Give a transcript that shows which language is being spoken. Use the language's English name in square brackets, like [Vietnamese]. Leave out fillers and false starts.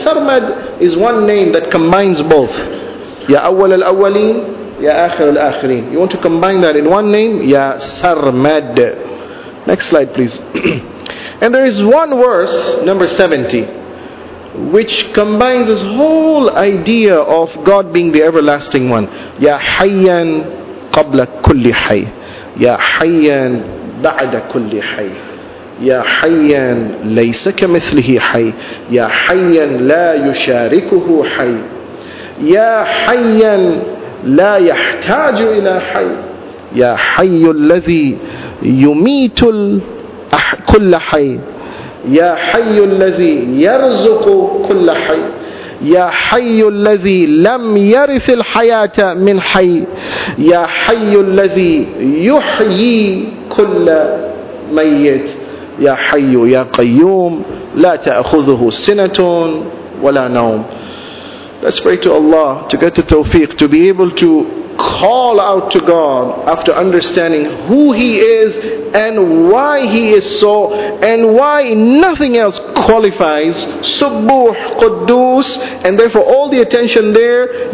[English] Sarmad is one name that combines both. [Arabic] Ya awwal al-awwalin, Ya akhir al-akhirin. [English] You want to combine that in one name? Ya Sarmad. Next slide please. And there is one verse, number 70, which combines this whole idea of God being the everlasting one. [Arabic] Ya Hayyan Qabla Kulli Hay, Ya Hayyan Ba'da Kulli Hay, Ya Hayyan Laysa Kamithlihi Hay, Ya Hayyan La Yusharikuhu Hay, Ya Hayyan لا يحتاج إلى حي يا حي الذي يميت كل حي يا حي الذي يرزق كل حي يا حي الذي لم يرث الحياة من حي يا حي الذي يحيي كل ميت يا حي يا قيوم لا تأخذه سنة ولا نوم. [English] Let's pray to Allah to get the tawfiq, to be able to call out to God after understanding who He is and why He is so and why nothing else qualifies. Subbuh Quddus, and therefore all the attention there.